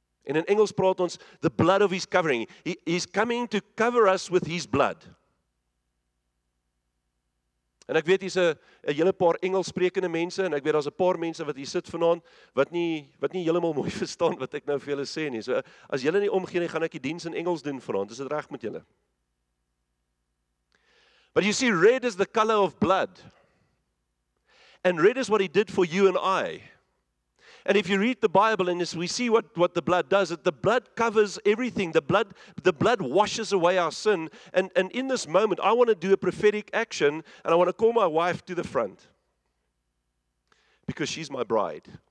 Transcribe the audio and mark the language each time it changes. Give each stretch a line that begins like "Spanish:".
Afrikaans: En in Engels praat ons,
English: the blood of his covering. He's coming to cover us with his blood.
Afrikaans: En ek weet, hier's 'n hele paar Engels sprekende mense, en ek weet, daar's 'n paar mense wat hier sit vanaand, wat nie heeltemal mooi verstaan wat ek nou vir julle sê nie. So, as julle nie omgee nie, gaan ek die diens in Engels doen vanaand. Is dit reg met julle?
English: But you see, red is the color of blood. And red is what he did for you and I. And if you read the Bible and we see what the blood does, that the blood covers everything. The blood washes away our sin. And in this moment, I want to do a prophetic action and I want to call my wife to the front. Because she's my bride.